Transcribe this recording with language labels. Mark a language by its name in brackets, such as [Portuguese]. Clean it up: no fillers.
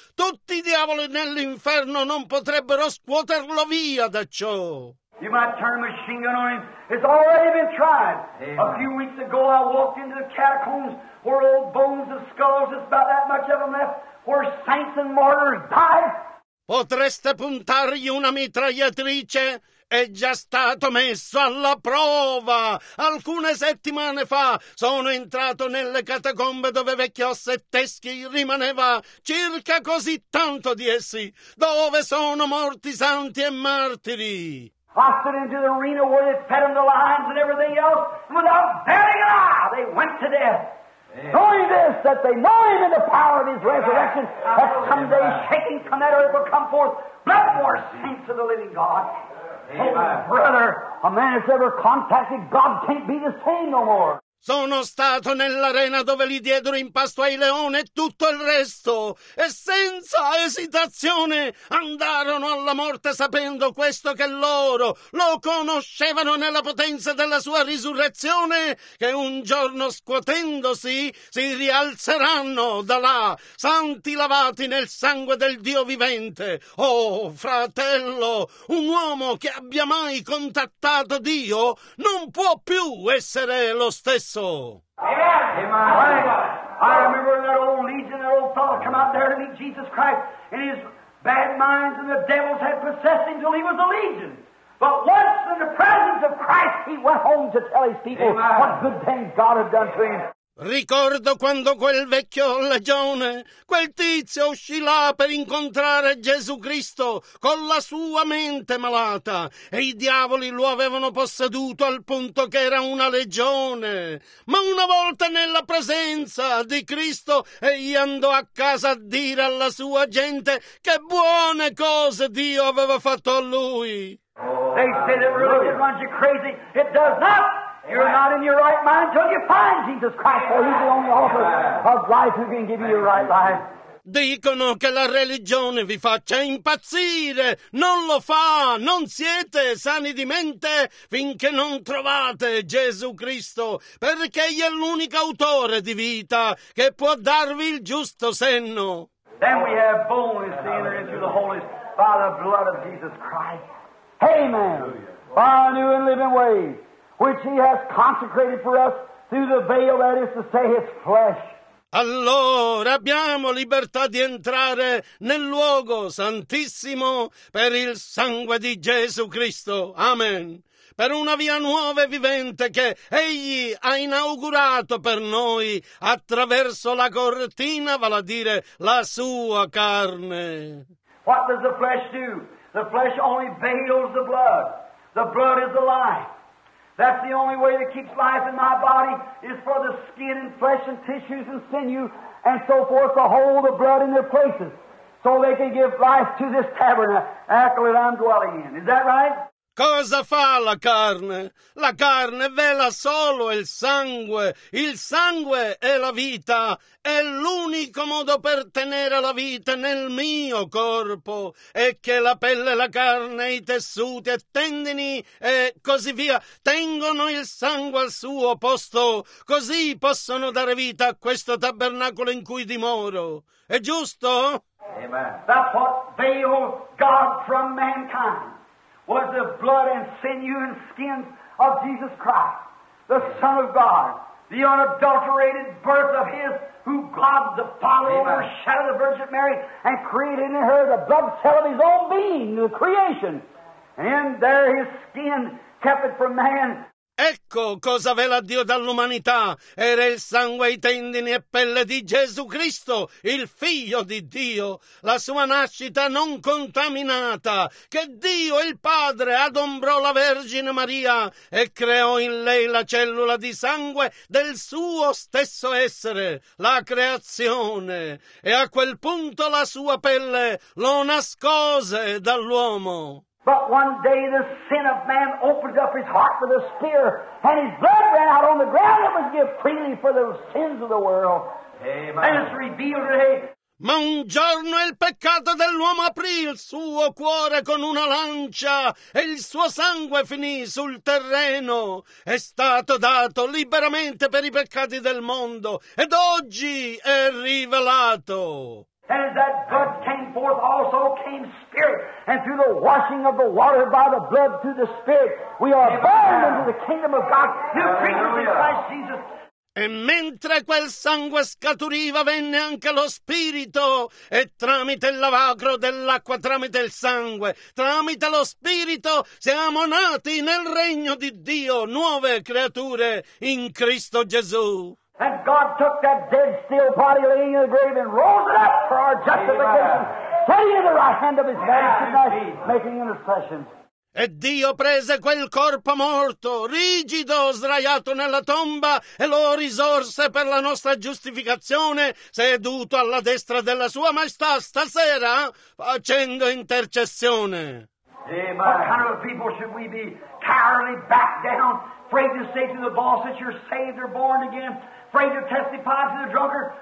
[Italian] Tutti i diavoli nell'inferno non potrebbero scuoterlo via da ciò. [English] You might turn a machine gun on him. It's already been tried. Amen. A few weeks ago, I walked into the catacombs where old bones and skulls, there's about that much of them left, where saints and martyrs died. [Italian] Potreste puntargli una mitragliatrice? È già stato messo alla prova. Alcune settimane fa sono entrato nelle catacombe dove vecchio Setteschi rimaneva, circa così tanto di essi, dove sono morti santi e martiri. [English] Fostered into the arena where they fed them the lions and everything else, and without batting an eye, they went to death. Amen. Knowing this, that they know him in the power of his resurrection, amen, that someday, amen, shaking from that earth will come forth blood more saints of the living God. Amen. Oh, brother, a man that's ever contacted God can't be the same no more. [Italian] Sono stato nell'arena dove li diedero in pasto ai leoni e tutto il resto, e senza esitazione andarono alla morte sapendo questo, che loro lo conoscevano nella potenza della sua risurrezione, che un giorno scuotendosi si rialzeranno da là, santi lavati nel sangue del Dio vivente. Oh, fratello, un uomo che abbia mai contattato Dio non può più essere lo stesso. [English] Amen. I remember that old legion, that old fellow come out there to meet Jesus Christ, and his bad minds and the devils had possessed him till he was a legion. But once in the presence of Christ, he went home to tell his people, amen, what good things God had done to him. [Italian] Ricordo quando quel vecchio legione, quel tizio, uscì là per incontrare Gesù Cristo con la sua mente malata, e i diavoli lo avevano posseduto al punto che era una legione. Ma una volta nella presenza di Cristo, egli andò a casa a dire alla sua gente che buone cose Dio aveva fatto a lui. [English] They say that religion runs you crazy. It does not. You're not in your right mind until you find Jesus Christ, for he's the only author of life who can give you your right life. [Italian] Dicono che la religione vi faccia impazzire. Non lo fa. Non siete sani di mente finché non trovate Gesù Cristo, perché egli è l'unico autore di vita che può darvi il giusto senno. [English] Then we have boldness to enter into the holiest by the blood of Jesus Christ. Amen. By a new and living way, which he has consecrated for us through the veil, that is to say, his flesh. [Italian] Allora abbiamo libertà di entrare nel luogo santissimo per il sangue di Gesù Cristo. Amen. per una via nuova e vivente che Egli ha inaugurato per noi attraverso la cortina, vale a dire la sua carne. [English] What does the flesh do? The flesh only veils the blood. The blood is the life. That's the only way that keeps life in my body is for the skin and flesh and tissues and sinew and so forth to hold the blood in their places so they can give life to this tabernacle that I'm dwelling in. Is that right? [Italian] Cosa fa la carne? La carne vela solo il sangue è la vita, è l'unico modo per tenere la vita nel mio corpo, è che la pelle, la carne, i tessuti e tendini e così via tengono il sangue al suo posto, così possono dare vita a questo tabernacolo in cui dimoro, è giusto? [English] Amen. That's what veiled God from mankind. Was the blood and sinew and skin of Jesus Christ, the Son of God, the unadulterated birth of His, who God the Father overshadowed the Virgin Mary and created in her the blood cell of His own being, the creation. And there His skin kept it from man. [Italian] Ecco cosa vela Dio dall'umanità. Era il sangue, i tendini e pelle di Gesù Cristo, il Figlio di Dio, la sua nascita non contaminata, che Dio il Padre adombrò la Vergine Maria e creò in lei la cellula di sangue del suo stesso essere, la creazione. E a quel punto la sua pelle lo nascose dall'uomo. [English] But one day the sin of man opened up his heart with a spear, and his blood ran out on the ground and was given freely for the sins of the world. Amen. And it's revealed today. [Italian] Ma un giorno il peccato dell'uomo aprì il suo cuore con una lancia e il suo sangue finì sul terreno. È stato dato liberamente per i peccati del mondo, ed oggi è rivelato. [English] And as that blood came forth, also came spirit. And through the washing of the water by the blood through the spirit, we are born into the kingdom of God, new creatures in Christ Jesus. [Italian] E mentre quel sangue scaturiva venne anche lo spirito e tramite il lavacro dell'acqua, tramite il sangue, tramite lo spirito siamo nati nel regno di Dio, nuove creature in Cristo Gesù. [English] And God took that dead, still body laying in the grave and rose it up for our justification, putting it in the right hand of His Majesty, making intercession. [Italian] E Dio prese quel corpo morto, rigido, sdraiato nella tomba, e lo risorse per la nostra giustificazione, seduto alla destra della Sua Maestà stasera, facendo intercessione. [English] Amen. What kind of people should we be? Cowardly, back down, afraid to say to the boss that you're saved or born again, afraid to testify to the drunkard?